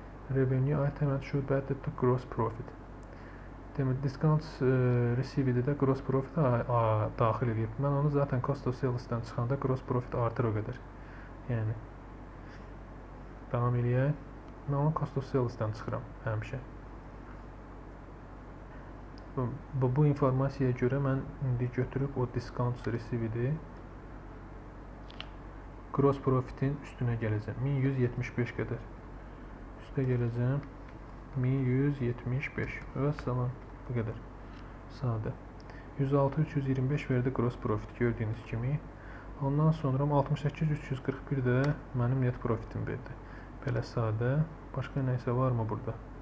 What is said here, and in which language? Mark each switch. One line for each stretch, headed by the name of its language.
English: Revenue item and should be added to gross profit.
Azerbaijani: Demek discounts received-də gross profit daxil edib. Mən onu zaten cost of sales-dən çıxanda gross profit artır o qədər. Yəni, devam edək. Mən onu cost of sales-dən çıxıram həmişə. Bu informasiyaya görə mən indi götürüb o discounts received-i gross profit'in üstünə gələcəm. 1175 qədər. Üstə gələcəm. 1175. Və salam. Bu qədər. Sadə. 106325 verdi gross profit gördüyünüz kimi. Ondan sonra 68341 də mənim net profitim verdi. Belə sadə. Başqa nə isə var mı burada?